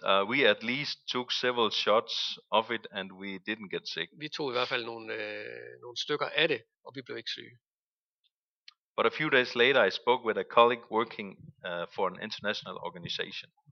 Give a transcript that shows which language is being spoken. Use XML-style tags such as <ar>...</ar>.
<en>We at least took several shots of it and we didn't get sick.</en> <da>Vi tog i hvert fald nogle stykker af det og vi blev ikke syge.</da> <en>But a few days later I spoke with a colleague working for an international organization.</en>